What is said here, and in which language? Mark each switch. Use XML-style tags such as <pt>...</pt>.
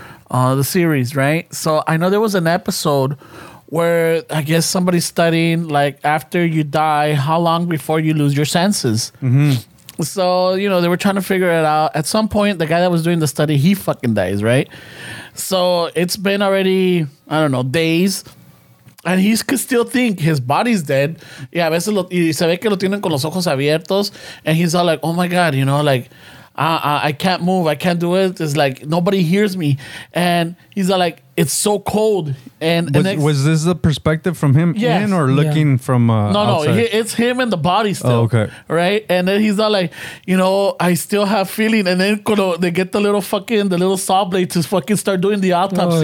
<en>The series, right? So I know there was an episode where I guess somebody's studying, like, after you die, how long before you lose your senses. Mm-hmm. So, you know, they were trying to figure it out. At some point, the guy that was doing the study, he fucking dies, right? So it's been already, I don't know, days. And he could still think his body's dead.</en> <es>Yeah, a veces lo, y se ve que lo tienen con los ojos abiertos.</es> <en>And he's all like, oh my God, you know, like, I can't move. I can't do it. It's like nobody hears me. And he's like, it's so cold. And was this the perspective from him in or looking from outside? No, it's him and the body still. Oh, okay. Right? And then he's like, you know, I still have feeling. And then they get the little saw blade to fucking start doing the autopsy.</en>